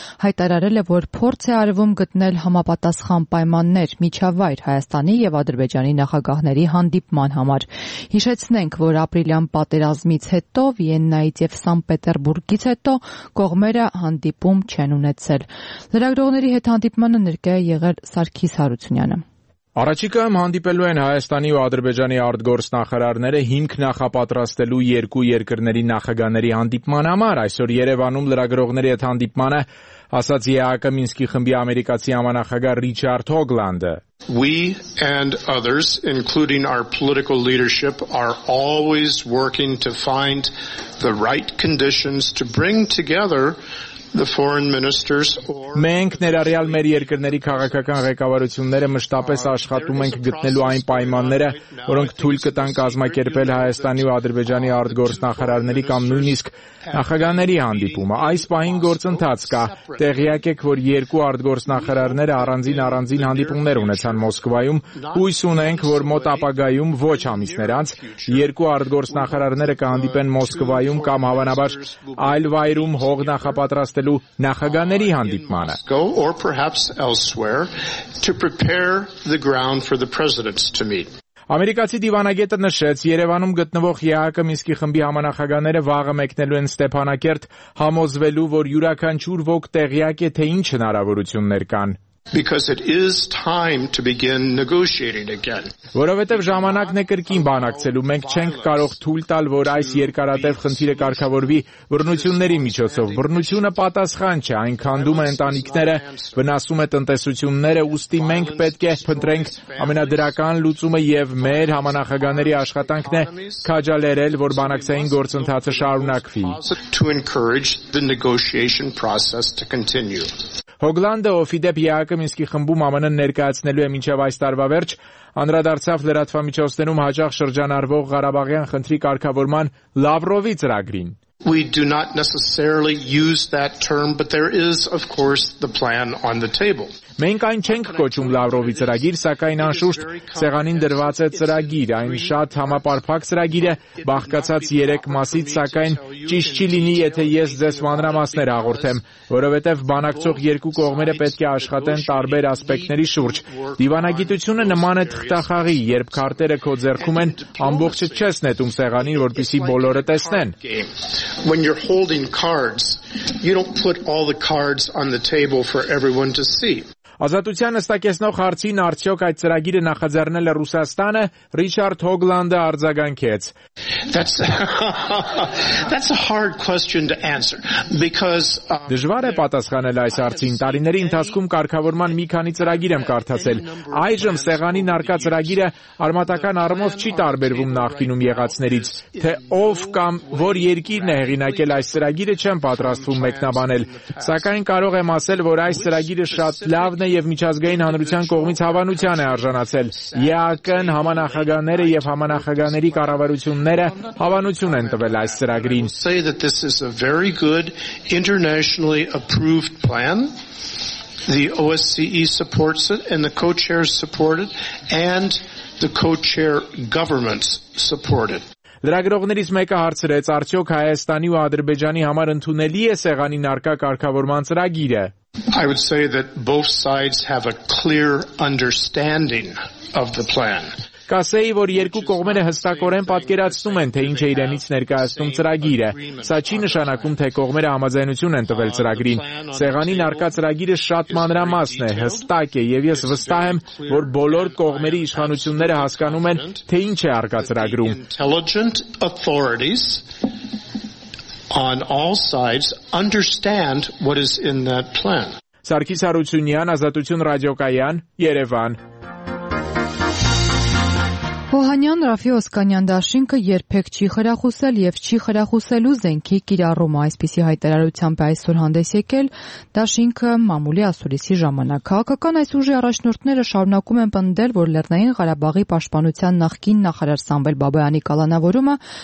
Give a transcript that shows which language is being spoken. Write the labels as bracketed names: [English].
[Armenian] հայտարարել է, որ փորձ է արվում գտնել համապատասխան պայմաններ, միջավայր Հայաստանի և Ադրբեջանի նախագահների հանդիպման համար։ Հիշեցնենք, որ ապրիլյան պատերազմից հետո Վիեննայից և Սանկտպետերբուրգից հետո կողմերը հանդիպում չեն ունեցել։ Լրագրողների հետ հանդիպմանը ներկայ է եղել Սարգիս Հարությունյանը։ Առաջիկայում հանդիպելու են Հայաստանի ու Ադրբեջանի արտգործ նախարարները հիմք նախապատրաստելու երկու երկրների նախագահների հանդիպման համար։ Այսօր Երևանում լրագրողների հետ հանդիպմանը ասաց ԵԱԿ-ի Մինսկի խմբի ամերիկացի համանախագահ Ռիչարդ Հոգլանդը. [English] We and others, including our political leadership, are always working to find the right conditions to bring together the foreign ministers or [Armenian] Մենք ներառյալ մեր երկրների քաղաքական ղեկավարությունները մշտապես աշխատում ենք գտնելու այն պայմանները, որոնք թույլ կտան կազմակերպել Հայաստանի ու Ադրբեջանի արտգործնախարարների կամ նույնիսկ նախագահների հանդիպումը։ Այս պահին գործընթաց կա։ Տեղյակ եք, որ երկու արտգործնախարարները առանձին-առանձին հանդիպումներ ունեցան Մոսկվայում։ Հույս ունենք, որ մոտ ապագայում ոչ ամիսներ անց երկու արտգործնախարարները կհանդիպեն Մոսկվայում կամ հավանաբար այլ վայրում հողնախապատրաստ ստելու նախագահների հանդիպմանը [English] or perhaps elsewhere to prepare the ground for the presidents to meet. [Armenian] Ամերիկացի դիվանագետը նշեց, Երևանում գտնվող ԵԱԿ-ի Մինսկի խմբի համանախագահները վաղը մեկնելու են Ստեփանակերտ, համոզվելու, որ յուրաքանչյուր ոք տեղյակ է, թե ինչ հնարավորություններ կան. [English] Because it is time to begin negotiating again. [Armenian] Որովհետև ժամանակն է կրկին բանակցելու, մենք չենք կարող թույլ տալ, որ այս երկարատև խնդիրը կարգավորվի բռնությունների միջոցով։ Բռնությունը պատասխան չէ, այն քանդում է ընտանիքները, վնասում է տնտեսությունները, ուստի մենք պետք է փնտրենք ամենադրական լուծումը եւ մեր համանախագաների աշխատանքն է քաջալերել, որ բանակցային գործընթացը շարունակվի։ [English] To encourage the negotiation process to continue. [Armenian] Հոգլանդը, ով իդեպ ԵԱԿ-ի Մինսկի խմբում ԱՄՆ-ն ներկայացնելու է մինչև այս տարվա վերջ, անդրադարձավ լրատվամիջոցներում հաջող շրջանառվող Ղարաբաղյան խնդրի կարգավորման Լավրովի ծրագրին. [English] We do not necessarily use that term, but there is, of course, the plan on the table. [Armenian] Մենք այն չենք կոչում Լավրովի ծրագիր, սակայն անշուշտ սեղանին դրված է ծրագիր, այն շատ համապարփակ ծրագիր է, բաղկացած 3 մասից, սակայն ճիշտ չի լինի, եթե ես ձեզ մանրամասներ հաղորդեմ, որովհետև բանակցող երկու կողմերը պետք է աշխատեն տարբեր ասպեկտների շուրջ։ Դիվանագիտությունը նման է թղթախաղի, երբ քարտերը քո ձեռքում են, ամբողջը չես նետում սեղանին, որպեսզի բոլորը տեսնեն։ [English] When you're holding cards, you don't put all the cards on the table for everyone to see. [Armenian] Ազատության հստակեցնող հարցին արդյոք այդ ծրագիրը նախաձեռնել է Ռուսաստանը, Ռիչարդ Հոգլանդը արձագանքեց. [English] That's a hard question to answer because [Armenian] դժվար է պատասխանել այս հարցին։ Տարիների ընթացքում կարգավորման մի քանի ծրագիր եմ կարդացել։ Այժմ սեղանի նարկա ծրագիրը արմատական առումով չի տարբերվում նախկինում եղածներից, թե ով կամ որ երկիրն է հեղինակել այս ծրագիրը, չեմ պատրաստվում մեկնաբանել, սակայն կարող եմ ասել, որ այս ծրագիրը շատ լավ և միջազգային հանրության կողմից հավանության է արժանացել։ ԵԱԿ-ն, համանախագահները և համանախագահների կառավարությունները հավանություն են տվել այս ծրագրին։ [English] Say that this is a very good internationally approved plan. The OSCE supports it and the co-chairs support it and the co-chair governments support it. [Armenian] Լրագրողներից մեկը հարցրեց, արդյոք Հայաստանի ու Ադրբեջանի համար ընդունելի է սեղանի նարկա կարգավորման ծրագիրը։ [English] I would say that both sides have a clear understanding of the plan. [Armenian] Կասեի, որ երկու կողմերը հստակորեն պատկերացնում են, թե ինչ է իրենից ներկայացնում ծրագիրը։ Սա չի նշանակում, թե կողմերը համաձայնություն են տվել ծրագրին։ Սեղանի նարկա ծրագիրը շատ մանրամասն է, հստակ է, և ես վստահ եմ, որ բոլոր կողմերի իշխանությունները հասկանում են, թե ինչ է արկա ծրագրում։ [English] Intelligent authorities on all sides understand what is in that plan. [Armenian] Սարգիս Հարությունյան, Ազատություն ռադիոկայան, Երևան։ Հոհանյան Ռաֆի Օսկանյան դաշինքը երբեք չի խրախուսել եւ չի խրախուսելու զենքի կիրառումը, այսպիսի հայտարարությամբ այսօր հանդես եկել դաշինքը մամուլի ասուլիսի ժամանակ։ Քաղաքական այս ուժի առաջնորդները շարունակում են պնդել, որ Լեռնային Ղարաբաղի պաշտպանության նախկին նախարար Սամվել Բաբայանի կալանավորումը